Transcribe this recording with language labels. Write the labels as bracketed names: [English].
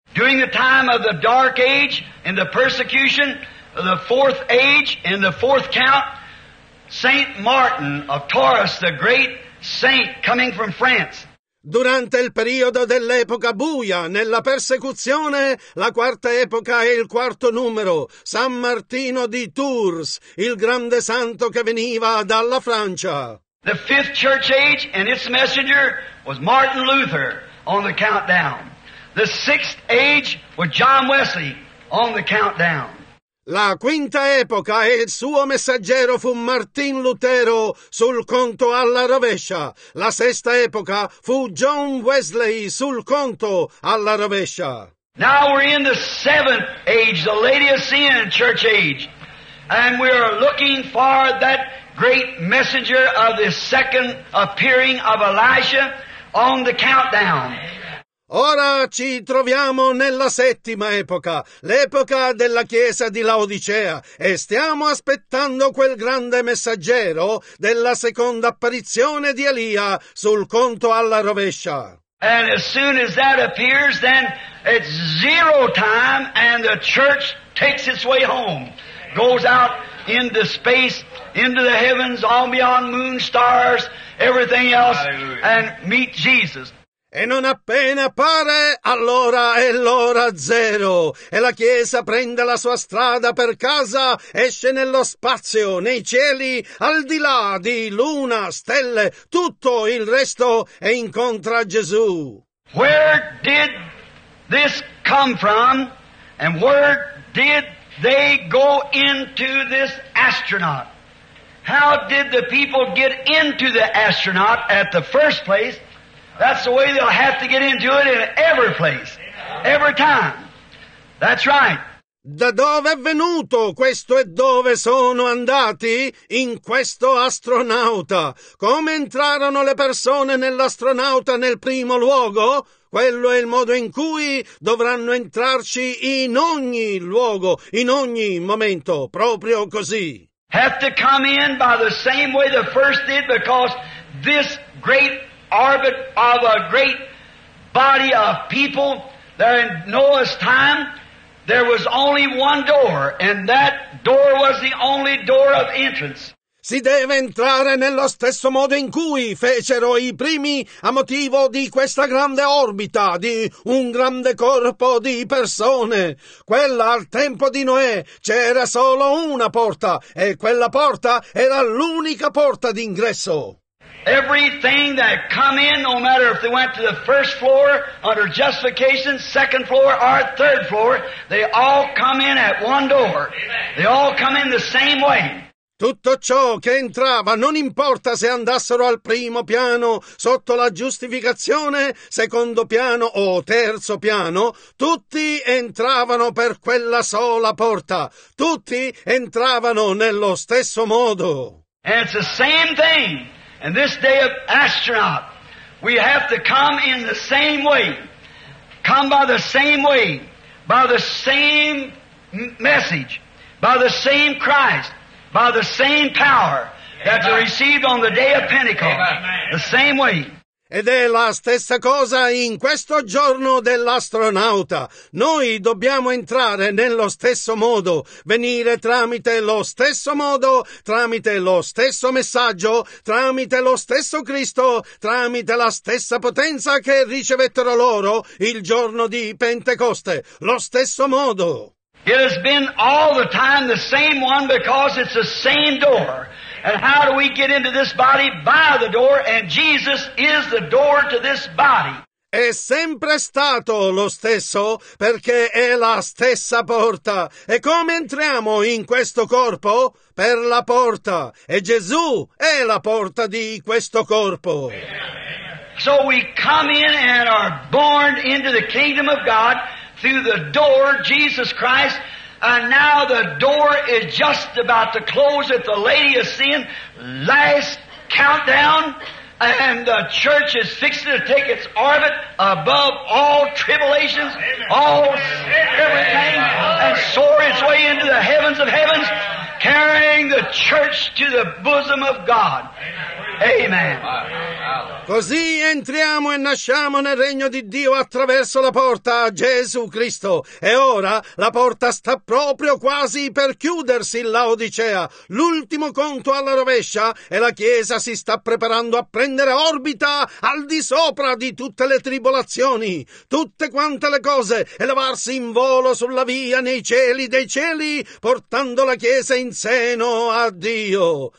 [English] During the time of the dark age and the persecution, the fourth age, in the fourth count, Saint Martin of Tours, the great saint coming from France. [Italian] Durante il periodo dell'epoca buia, nella persecuzione, la quarta epoca e il quarto numero, San Martino di Tours, il grande santo che veniva dalla Francia. [English] The fifth church age and its messenger was Martin Luther on the countdown. The sixth age was John Wesley on the countdown. [Italian] La quinta epoca e il suo messaggero fu Martin Lutero sul conto alla rovescia. La sesta epoca fu John Wesley sul conto alla rovescia. [English] Now we're in the seventh age, the Laodicean church age, and we are looking for that great messenger of the second appearing of Elisha on the countdown. [Italian] Ora ci troviamo nella settima epoca, l'epoca della Chiesa di Laodicea, e stiamo aspettando quel grande messaggero della seconda apparizione di Elia sul conto alla rovescia. [English] And as soon as that appears, then it's zero time and the church takes its way home, goes out into space, into the heavens, all beyond moon, stars, everything else, Hallelujah. And meet Jesus. [Italian] E non appena appare, allora è l'ora zero, e la Chiesa prende la sua strada per casa, esce nello spazio, nei cieli, al di là di luna, stelle, tutto il resto, e incontra Gesù. [English] Where did this come from, and where did they go into this astronaut? How did the people get into the astronaut at the first place? That's the way they'll have to get into it in every place, every time. That's right. [Italian] Da dove è venuto questo e dove sono andati? In questo astronauta. Come entrarono le persone nell'astronauta nel primo luogo? Quello è il modo in cui dovranno entrarci in ogni luogo, in ogni momento, proprio così. [English] Have to come in by the same way the first did, because this great orbit of a great body of people there in Noah's time, there was only one door, and that door was the only door of entrance. [Italian] Si deve entrare nello stesso modo in cui fecero i primi a motivo di questa grande orbita, di un grande corpo di persone. Quella al tempo di Noè c'era solo una porta, e quella porta era l'unica porta d'ingresso. [English] Everything that come in, no matter if they went to the first floor under justification, second floor, or third floor, they all come in at one door. They all come in the same way. [Italian] Tutto ciò che entrava, non importa se andassero al primo piano sotto la giustificazione, secondo piano o terzo piano, tutti entravano per quella sola porta. Tutti entravano nello stesso modo. [English] And it's the same thing. And this day of astronaut, we have to come in the same way. Come by the same way. By the same message. By the same Christ. By the same power that they received on the day of Pentecost. The same way. [Italian] Ed è la stessa cosa in questo giorno dell'astronauta. Noi dobbiamo entrare nello stesso modo, venire tramite lo stesso modo, tramite lo stesso messaggio, tramite lo stesso Cristo, tramite la stessa potenza che ricevettero loro il giorno di Pentecoste. Lo stesso modo. [English] It has been all the time the same one, because it's the same door. And how do we get into this body? By the door, and Jesus is the door to this body. [Italian] È sempre stato lo stesso, perché è la stessa porta. E come entriamo in questo corpo? Per la porta. E Gesù è la porta di questo corpo. [English] So we come in and are born into the kingdom of God through the door, Jesus Christ. And now the door is just about to close at the Lady of Sin, last countdown, and the church is fixing to take its orbit above all tribulations, all everything, and soar its way into the heavens of heavens, carrying the church to the bosom of God. Amen. [Italian] Così entriamo e nasciamo nel regno di Dio attraverso la porta, Gesù Cristo. E ora la porta sta proprio quasi per chiudersi, Laodicea. L'ultimo conto alla rovescia, e la Chiesa si sta preparando a prendere orbita al di sopra di tutte le tribolazioni, tutte quante le cose, elevarsi in volo sulla via nei cieli dei cieli, portando la Chiesa in seno a Dio.